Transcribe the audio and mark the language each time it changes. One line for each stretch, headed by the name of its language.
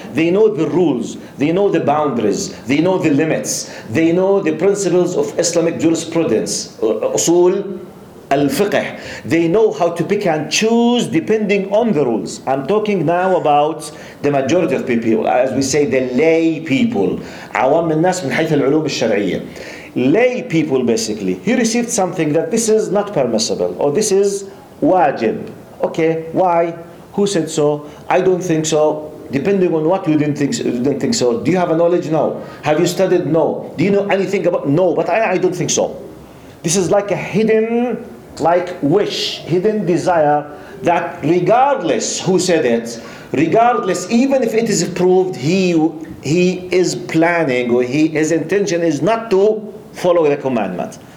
English: They know the rules, they know the boundaries, they know the limits, they know the principles of Islamic jurisprudence, usul al-fiqh. They know how to pick and choose depending on the rules. I'm talking now about the majority of people, as we say, the lay people.
Arabic: عوام الناس من حيث العلوم الشرعية.
English: Lay people, basically, he received something that this is not permissible or this is wajib. Okay, why? Who said so? I don't think so. Depending on what, you didn't think so. Do you have a knowledge? No. Have you studied? No. Do you know anything about? No, but I don't think so. This is like a hidden, like wish, hidden desire that regardless who said it, regardless, even if it is approved, he is planning or his intention is not to follow the commandment.